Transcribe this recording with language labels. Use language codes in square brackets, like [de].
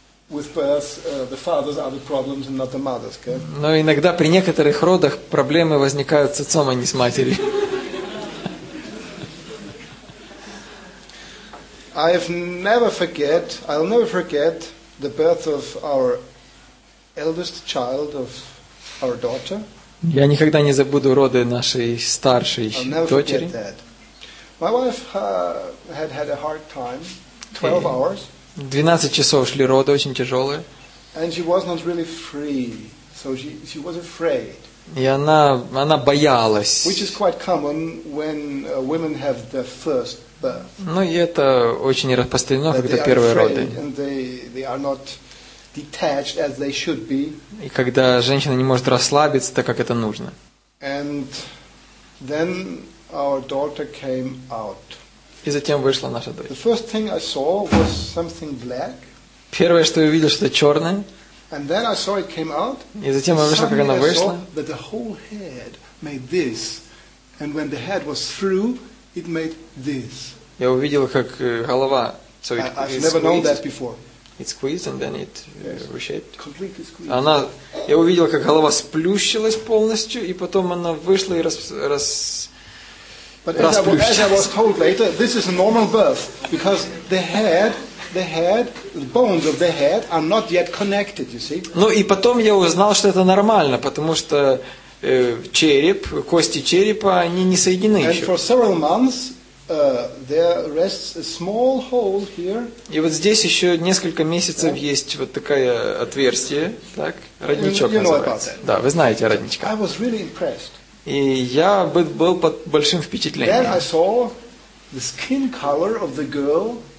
[en] With birth, the fathers are the problems and not the mothers. Okay? [ru] Но иногда при некоторых родах проблемы возникают с отцом, а не с матерью. [en] I'll never forget the birth of our eldest child, of our daughter. [ru] Я никогда не забуду роды нашей старшей дочери. [en] My wife had a hard time, 12 hours. [ru] 12 часов шли роды, очень тяжелые. [en] And she was not really free, so she was afraid. [ru] И она боялась. [en] Which is quite common when women have their first birth. [ru] Ну, и это очень распространено, когда первые роды. [en] And they are not detached as they should be. [ru] И когда женщина не может расслабиться так, как это нужно. [en] And then our daughter came out. [ru] И затем вышла наша дочь. [en] The first thing I saw was something black. [ru] Первое, что я увидел, что черное. [en] And then I saw it came out. [ru] И затем я увидел, как она вышла. [en] That the whole head made this, and when the head was through, it made this. [ru] Я увидел, как голова. [en] So it I've never known that before. It squeezed and then it reshaped. Completely squeezed. [ru] Она, я увидел, как голова сплющилась полностью, и потом она вышла и рас. [en] But as I was told later, this is a normal birth because the head, the bones of the head are not yet connected. You see. [ru] Ну и потом я узнал, что это нормально, потому что череп, кости черепа, они не соединены еще. [en] And for several months there rests a small hole here. [ru] И вот здесь еще несколько месяцев есть вот такое отверстие, так, родничок называется. Да, вы знаете родничка. [en] I was really impressed. [ru] И я был под большим впечатлением.